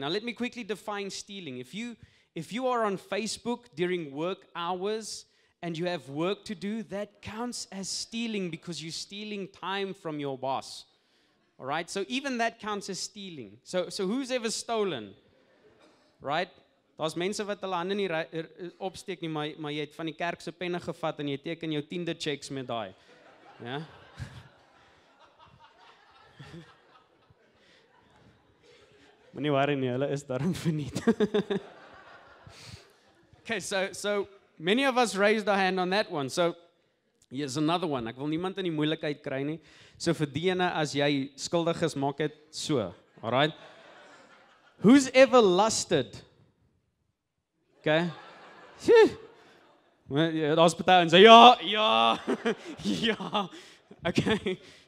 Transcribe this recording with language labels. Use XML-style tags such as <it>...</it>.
<en>Now, let me quickly define stealing. If you are on Facebook during work hours and you have work to do, that counts as stealing because you're stealing time from your boss. All right? So even that counts as stealing. So who's ever stolen? Right?</en> <af>Daar's mense wat hulle hande nie opsteek nie, maar jy het van die kerk se penne gevat en jy teken jou 10de checks met daai. Ja? Moenie worry nie, hulle is daarom verniet.</af> <en>Okay, so many of us raised our hand on that one. So here's another one.</en> <af>Ek wil niemand in die moeilikheid kry nie. So vir diegene as jy skuldig is, maak dit so.</af> <en>All right? Who's ever lusted? Okay?</en> <af>Daar's party en sê ja. Okay.</af>